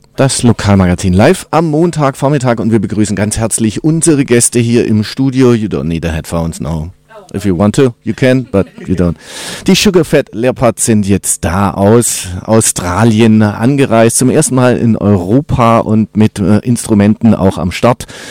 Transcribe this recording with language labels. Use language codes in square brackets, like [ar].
[de] Das Lokalmagazin live am Montagvormittag und wir begrüßen ganz herzlich unsere Gäste hier im Studio. [en] You don't need the headphones, no. If you want to, you can, but you don't. [de] Die Sugarfat Leopards sind jetzt da aus Australien angereist, zum ersten Mal in Europa und mit Instrumenten auch am Start.